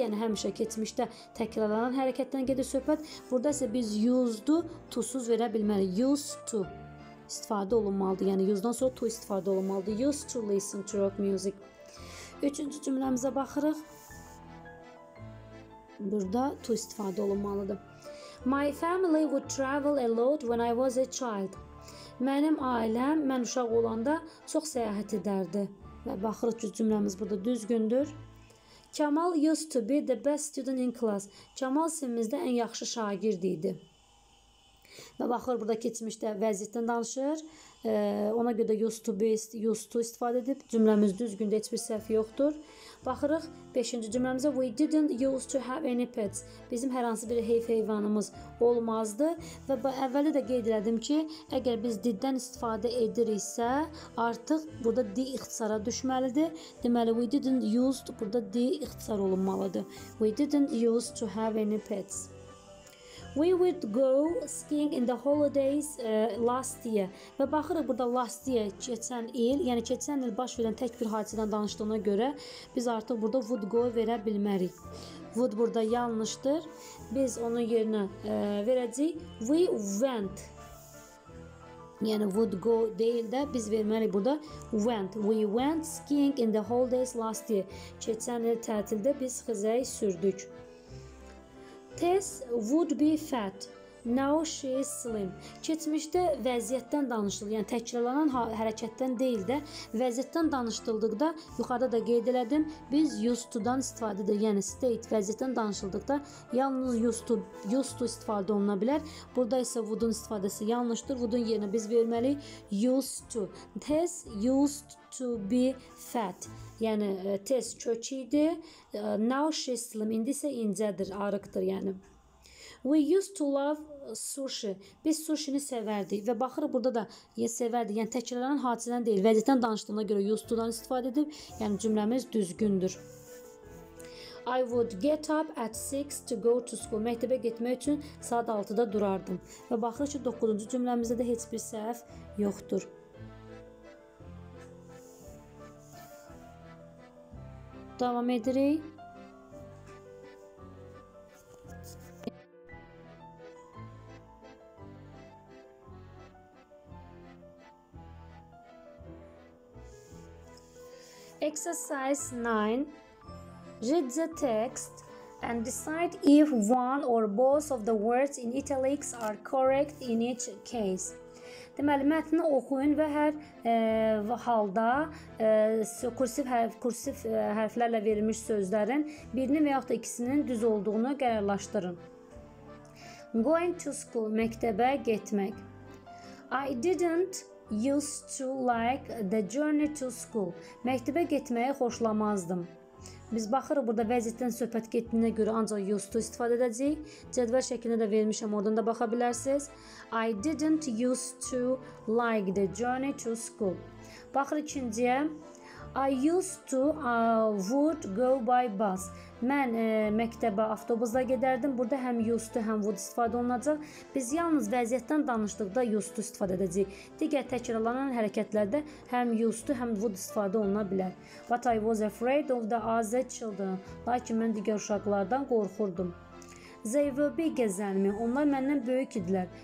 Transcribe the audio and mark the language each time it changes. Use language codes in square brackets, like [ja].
[az] Yəni həmişə keçmişdə təkrarlanan hərəkətdən gedir söhbət. Burada isə biz used-u to-suz verə bilməli. Used to istifadə olunmalıdır. Yəni used-dan sonra to istifadə olunmalıdır. [en] Used to listen to rock music. [az] Üçüncü cümləmizə baxırıq. Burada to istifadə olunmalıdır. [en] My family would travel a lot when I was a child. [az] Mənim ailəm, mən uşaq olanda çox səyahət edərdi. Və baxırıq ki, cümləmiz burada düzgündür. [en] Kamal used to be the best student in class. [az] Kamal sinifimizdə ən yaxşı şagird idi. Və baxır, burada keçmişdə vəziyyətdən danışır. Ona görə də used to be, used to istifadə edib. Cümləmiz düzgündə heç bir səhv yoxdur. Baxırıq 5-ci cümləmizə. [en] We didn't used to have any pets. [az] Bizim hər hansı bir heyvanımız olmazdı. Və əvvəli də qeyd elədim ki, əgər biz did-dən istifadə ediriksə, artıq burada di ixtisara düşməlidir. Deməli, we didn't used, burada di ixtisar olunmalıdır. [en] We didn't used to have any pets. We would go skiing in the holidays last year. [az] Və baxırıq burada last year keçən il, yəni keçən il baş verən tək bir hadisədən danışdığına görə biz artıq burada would go verə bilmərik. Would burada yanlışdır. Biz onun yerinə verəcəyik we went. Yəni would go deyil də biz verməliyik burada went. [en] We went skiing in the holidays last year. [az] Keçən il tətildə biz xizəyi sürdük. [en] Tess would be fat. Now she is slim. [az] Keçmişdə vəziyyətdən danışılır, yəni təkrarlanan hərəkətdən deyil də vəziyyətdən danışıldıqda yuxarıda da qeyd elədim. Biz used to-dan istifadə edirik, yəni state vəziyyətdən danışıldıqda yalnız used to istifadə oluna bilər. Burada isə would-un istifadəsi yanlışdır. Would-un yerinə biz verməliyik used to. [en] Tess used to be fat. [az] Yəni Tess kök idi. [en] Now she is slim. [az] İndi isə incədir, arıqdır yəni. [en] We used to love sushi. [az] Biz sushini sevərdik və baxırıq burada da sevərdik. Yəni təkrarlanan hadisədən deyil, vəziyyətdən danışdığına görə used to-dan istifadə edib. Yəni cümləmiz düzgündür. [en] I would get up at 6 to go to school. [az] Məktəbə getmək üçün saat 6-da durardım. Və baxırıq ki, 9-cu cümləmizdə də heç bir səhv yoxdur. Davam edirik. [en] Exercise 9. Read the text and decide if one or both of the words in italics are correct in each case. [az] Deməli, mətni oxuyun və hər halda kursiv hərflərlə verilmiş sözlərin birinin və yaxud da ikisinin düz olduğunu qərarlaşdırın. [en] Going to school, [az] məktəbə getmək. [en] I didn't used to like the journey to school. [az] Məktəbə getməyi xoşlamazdım. Biz baxırıq burada vəziyyətdən söhbət getdiyinə görə ancaq used to istifadə edəcəyik. Cədvəl şəklində də vermişəm, oradan da baxa bilərsiniz. [en] I didn't used to like the journey to school. [az] Baxırıq ikinciyə. [en] I used to would go by bus. [az] Mən məktəbə avtobusla gedərdim. Burada həm used to, həm would istifadə olunacaq. Biz yalnız vəziyyətdən danışdıqda used to istifadə edəcəyik. Digər təkrarlanan hərəkətlərdə həm used to, həm would istifadə oluna bilər. [en] But I was afraid of the other children. [az] Lakin mən digər uşaqlardan qorxurdum. [en] They were bigger than me. [az] Onlar məndən böyük idilər.